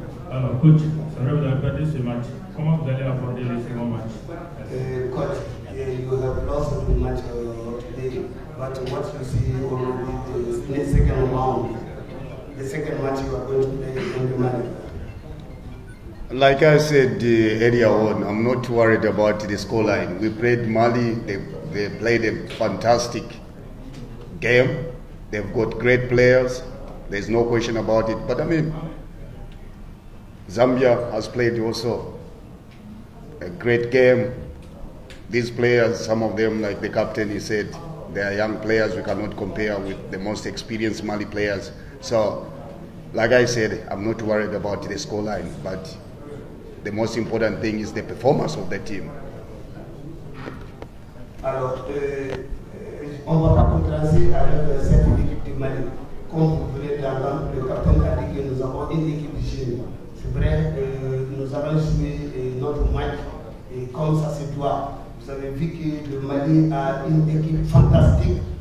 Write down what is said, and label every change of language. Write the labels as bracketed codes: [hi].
[fr] Alors, coach, c'est vrai que vous avez perdu ce match. Comment vous allez aborder le second match? [en] Coach, you have lost the match today, but what you see will be the second round. The second match you are going to play is going to matter. Like I said earlier on, I'm not worried about the scoreline. We played Mali, they played a fantastic game. They've got great players. There's no question about it. But Zambia has played also a great game. These players, some of them, like the captain, he said, they are young players. We cannot compare with the most experienced Mali players. So, like I said, I'm not worried about the scoreline, but the most important thing is the performance of the team. [fr] Alors, on va pas contraster avec cette équipe du Mali. Comme vous venez de l'entendre, le capitaine a dit que nous avons une équipe jeune. C'est vrai, nous avons joué notre match comme ça se doit. Vous avez vu que le Mali a une équipe fantastique